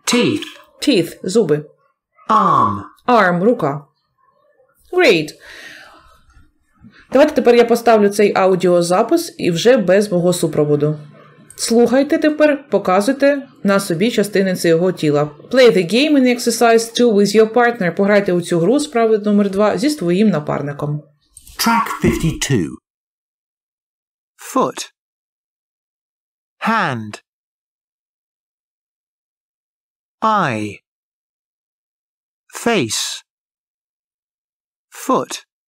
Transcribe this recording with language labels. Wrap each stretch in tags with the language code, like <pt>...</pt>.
<en>Teeth. Teeth, зуби. Arm. Arm, рука. Great.</en> <uk>Давайте тепер я поставлю цей аудіозапис і вже без мого супроводу. Слухайте тепер, показуйте на собі частини цього тіла.</uk> <en>Play the game in exercise 2 with your partner.</en> <uk>Пограйте у цю гру, справи номер 2, зі своїм напарником.</uk> <en>Track 52. Foot. Hand. Eye. Face. Foot.</en>